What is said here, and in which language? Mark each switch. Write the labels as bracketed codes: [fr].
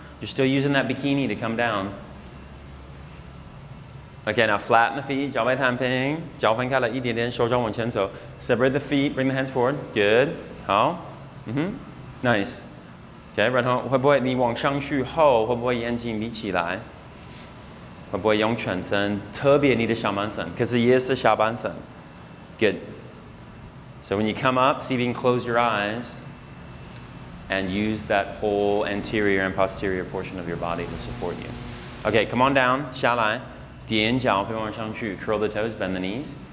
[en] You're still using that bikini to come down. Okay, now flatten the feet, [zh] 脚背摊平, 脚分开了一点点, 手掌往前走. [en] Separate the feet, bring the hands forward. Good. 好. Mm-hmm. Nice. [zh] Okay, 然后会不会你往上去后会不会眼睛眯起来？会不会用全身，特别你的上半身，可是也是下半身。 [en] Good. So when you come up, see if you can close your eyes and use that whole anterior and posterior portion of your body to support you. Okay, come on down, [zh] 下来, 踮脚别往上去, [en] curl the toes, bend the knees.